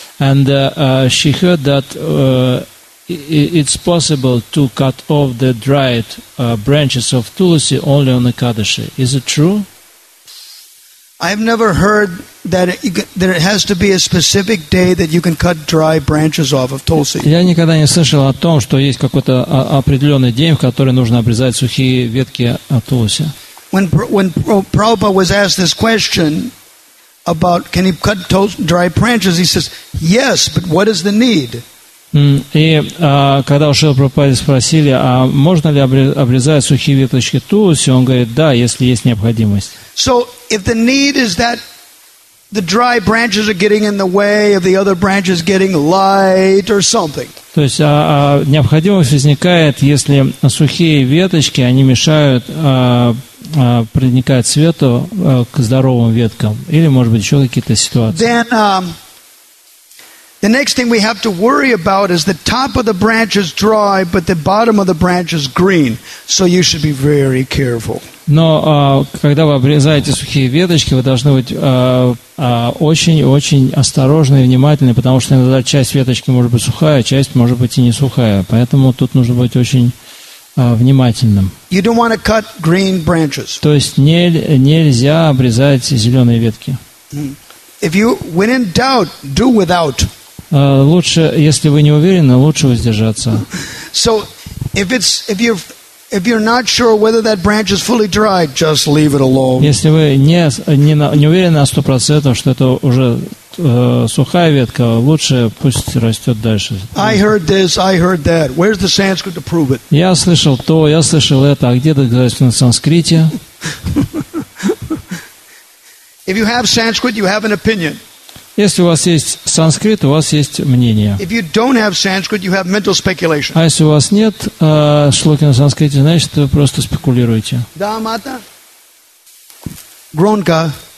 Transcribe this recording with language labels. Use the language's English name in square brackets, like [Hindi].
[English] And she heard that it's possible to cut off the dried branches of tulsi only on Ekadashi. Is it true? I've never heard that it has to be a specific day that you can cut dry branches off of tulsi. [Russian] Я никогда не слышал о том, что есть какой-то определенный день, в который нужно обрезать сухие ветки от тулуси. [English] When Prabhupada was asked this question about can he cut dry branches, he says, yes, but what is the need? [Russian] И когда у Шрилы Прабхупады спросили, а можно ли обрезать сухие веточки тулуси, он говорит, да, если есть необходимость. [English] So if the need is that the dry branches are getting in the way of the other branches getting light or something. То есть необходимость возникает, если сухие веточки, они мешают проникать свету к здоровым веткам, или, может быть, еще какие-то ситуации. Then the next thing we have to worry about is the top of the branch is dry, but the bottom of the branch is green. So you should be very careful. [Russian] Но когда вы обрезаете сухие веточки, вы должны быть очень-очень осторожны и внимательны, потому что иногда часть веточки может быть сухая, часть может быть и не сухая. Поэтому тут нужно быть очень внимательным. [English] You don't want to cut green branches. [Russian] То есть нельзя обрезать зеленые ветки. [English] If you, when in doubt, do without. [Russian] Лучше, если вы не уверены, лучше воздержаться. [English] So, if you're not sure whether that branch is fully dry, just leave it alone. [Russian] Если вы не уверены на 100%, что это уже сухая ветка, лучше пусть растет дальше. [English] I heard this, I heard that. Where's the Sanskrit to prove it? [Russian] Я слышал то, я слышал это. А где доказательство на санскрите? [English] If you have Sanskrit, you have an opinion. [Russian] Если у вас есть санскрит, у вас есть мнение. [English] If you don't have Sanskrit, you have mental speculation. [Russian] А если у вас нет шлоки на санскрите, значит, вы просто спекулируете. Да, мата? Громко.